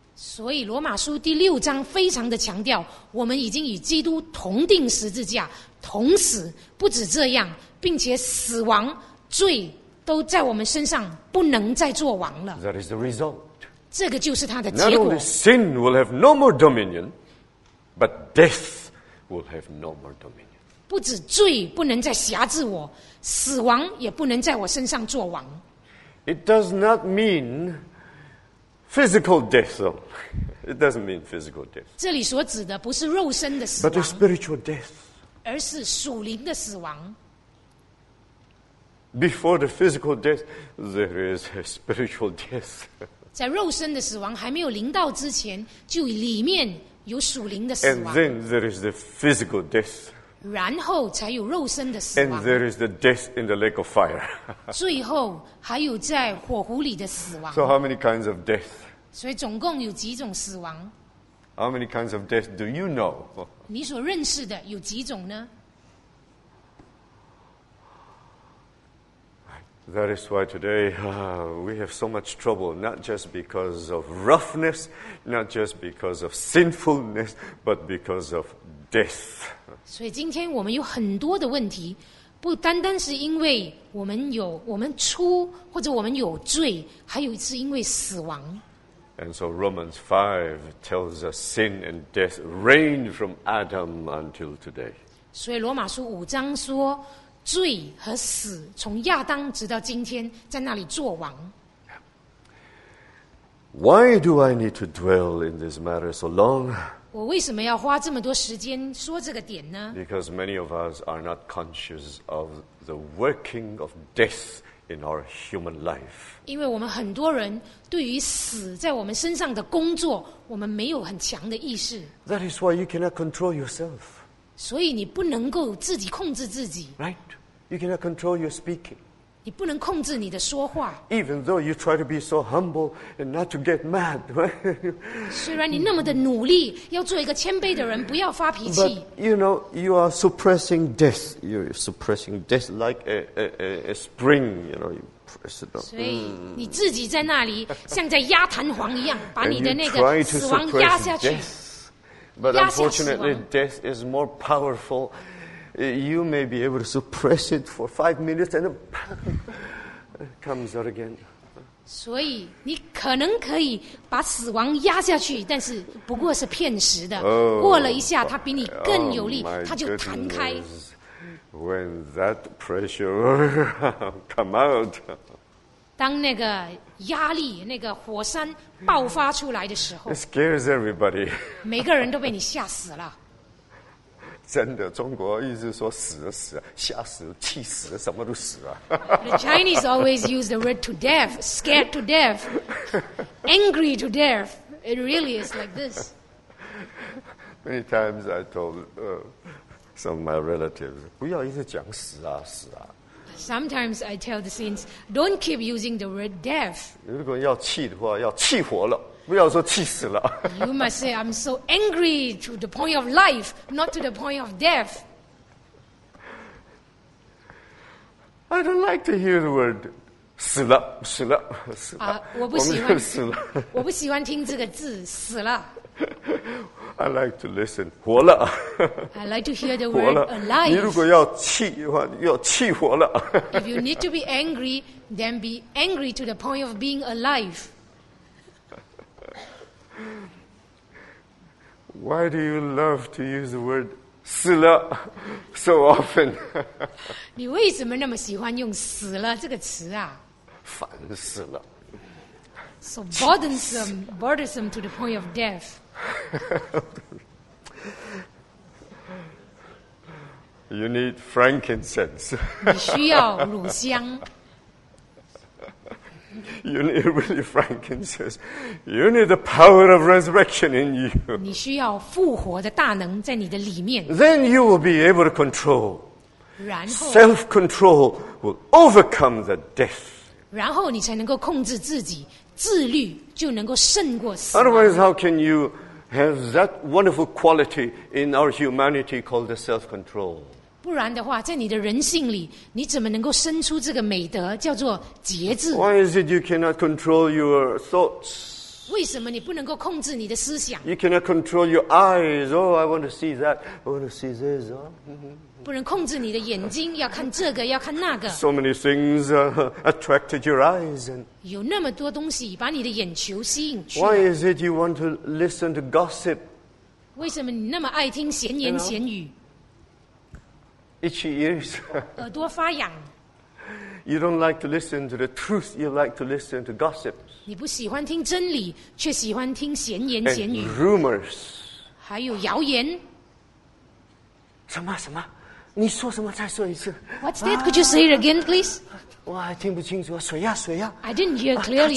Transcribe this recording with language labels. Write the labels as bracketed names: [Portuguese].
[Chinese] 所以罗马书第六章非常的强调，我们已经与基督同钉十字架，同死。不止这样，并且死亡、罪都在我们身上不能再作王了。 [English] That is the result. [Chinese] 这个就是它的结果。 [English] Not only sin will have no more dominion, but death will have no more dominion. [Chinese] 不止罪不能再辖制我，死亡也不能在我身上作王。 [English] It does not mean. Physical death, though. It doesn't mean physical death. [Chinese] 这里所指的不是肉身的死亡。 [English] But a spiritual death. [Chinese] 而是属灵的死亡。 [English] Before the physical death, there is a spiritual death. [Chinese] 在肉身的死亡还没有临到之前，就里面有属灵的死 [English] 亡。And then there is the physical death. [Chinese] 然后才有肉身的死亡。 [English] And there is the death in the lake of fire. [Chinese] 最后还有在火湖里的死亡。 [English] So how many kinds of death? [Chinese] 所以总共有几种死亡。 [English] How many kinds of death do you know? [Chinese] 你所认识的有几种呢？ [English] That is why today, we have so much trouble, not just because of roughness, not just because of sinfulness, but because of death. [Chinese] 所以今天我们有很多的问题。不单单是因为我们粗或者我们有罪，还有一次因为死亡。 [English] And so Romans 5 tells us sin and death reign from Adam until today. [Chinese] 所以罗马书五章说，罪和死从亚当直到今天在那里作王。 [English] Why do I need to dwell in this matter so long? [Chinese] 我为什么要花这么多时间说这个点呢？ [English] Because many of us are not conscious of the working of death in our human life. [Chinese] 因为我们很多人对于死在我们身上的工作，我们没有很强的意识。 [English] That is why you cannot control yourself. [Chinese] 所以你不能够自己控制自己。 [English] Right? You cannot control your speaking. [Chinese] 你不能控制你的说话。 [English] Even though you try to be so humble and not to get mad, [Chinese] 虽然你那么的努力，要做一个谦卑的人，不要发脾气。 [English] But you know, you are suppressing death. You're suppressing death like a spring. You know, you press it down. [Chinese] 所以你自己在那里，像在压弹簧一样，把你的那个死亡压下去。 [English] But unfortunately, death is more powerful. You may be able to suppress it for 5 minutes and then comes out again. [Chinese] 所以你可能可以把死亡压下去，但是不过是片时的。 Oh, 过了一下，它比你更有力，它就弹开。 [English] When that pressure come out, [Chinese] 当那个压力、那个火山爆发出来的时候 [English] ，it scares everybody. [Chinese] 每个人都被你吓死了。真的，中国一直说死了死了，吓死了，气死了，什么都死了。 [English] The Chinese always use the word to death, scared to death, angry to death. It really is like this. Many times I told some of my relatives, [Chinese] 不要一直讲死啊死啊。 [English] Sometimes I tell the saints, don't keep using the word death. [Chinese] 如果要气的话，要气活了。不要说气死了。 [English] You must say I'm so angry to the point of life, not to the point of death. I don't like to hear the word 死了，死了，死了。 [Chinese] 我不喜欢死了。我不喜欢听这个字，死了。 [English] I like to listen 活了。 I like to hear the word alive. [Chinese] 你如果要气的话，要气活了。 [English] If you need to be angry, then be angry to the point of being alive. Why do you love to use the word 死了 so often? [Chinese] 你为什么那么喜欢用死了这个词啊？烦死了。 [English] So burdensome to the point of death. You need frankincense. [Chinese] 你需要乳香。 [English] You need really frankincense. You need the power of resurrection in you. [Chinese] 你需要复活的大能在你的里面。 [English] Then you will be able to control. [Chinese] 然后 [English] self-control will overcome the death. [Chinese] 然后你才能够控制自己，自律就能够胜过死亡。 [English] Otherwise, how can you have that wonderful quality in our humanity called the self-control? [Chinese] 不然的话，在你的人性里，你怎么能够生出这个美德，叫做节制 [English] ？Why is it you cannot control your thoughts？ [Chinese] 为什么你不能够控制你的思想 [English] ？You cannot control your eyes. Oh, I want to see that. I want to see this. Oh, [Chinese] 不能控制你的眼睛，要看这个，要看那个。 [English] So many things attracted your eyes. And [Chinese] 有那么多东西把你的眼球吸引去。 [English] Why is it you want to listen to gossip？ [Chinese] 为什么你那么爱听闲言闲语？ [English] You know? Itchy ears. [Chinese] 耳朵发痒。 [English] You don't like to listen to the truth. You like to listen to gossip. [Chinese] 你不喜欢听真理，却喜欢听闲言闲语。 [English] And rumors. [Chinese] 还有谣言。什么什么？你说什么？再说一次。 [English] What's that? Could you say it again, please? [Chinese] 我还听不清楚。谁呀？谁呀 [English] ？I didn't hear clearly.